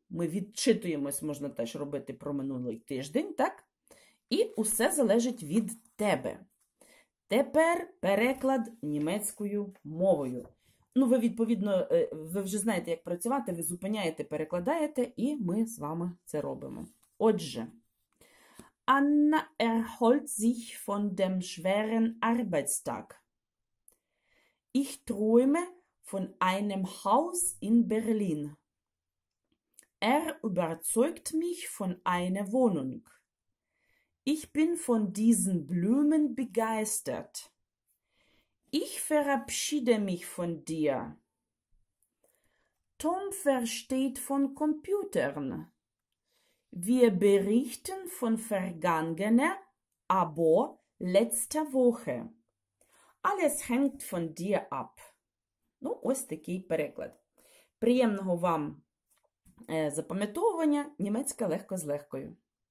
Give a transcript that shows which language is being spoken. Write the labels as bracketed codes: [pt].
[uk] Ми відчитуємось, можна теж робити про минулий тиждень, так? І усе залежить від тебе. Тепер переклад німецькою мовою. Ну, ви, відповідно, ви вже знаєте, як працювати. Ви зупиняєте, перекладаєте, і ми з вами це робимо. [de] Отже, Anna erholt sich von dem schweren Arbeitstag. Ich träume von einem Haus in Berlin. Er überzeugt mich von einer Wohnung. Ich bin von diesen Blumen begeistert. Ich verabschiede mich von dir. Tom versteht von Computern. Wir berichten von vergangener, aber letzter Woche. Alles hängt von dir ab. [uk] Ну, ось такий переклад. Приємного вам запам'ятовування. Німецька легко з легкою.